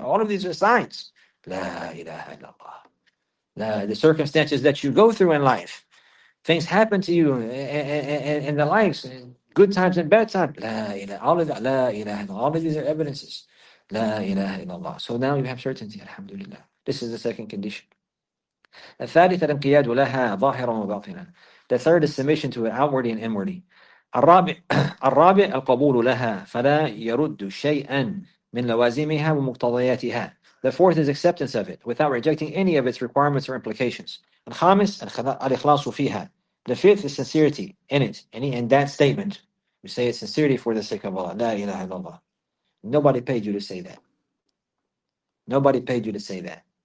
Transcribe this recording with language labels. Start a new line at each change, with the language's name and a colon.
English: All of these are signs.
Arabic: La ilaha illallah.
English: The circumstances that you go through in life, things happen to you in the likes, good times and bad times. La ilaha, all of that,
Arabic: la ilaha illallah.
English: All of these are evidences. La ilaha illallah. So now you have certainty, alhamdulillah. This is the second condition.
Arabic: الثالثة الانقياد لها ظاهرا وباطنا.
English: The third is submission to it outwardly and inwardly.
Arabic: الرابع القبول لها فلا يرد شيئا من لوازمها ومقتضياتها.
English: The fourth is acceptance of it without rejecting any of its requirements or implications.
Arabic: الخامس الإخلاص فيها.
English: The fifth is sincerity in it. Any in that statement, we say it's sincerity for the sake of Allah.
Arabic: لا إله إلا الله.
English: Nobody paid you to say that. Nobody paid you to say that.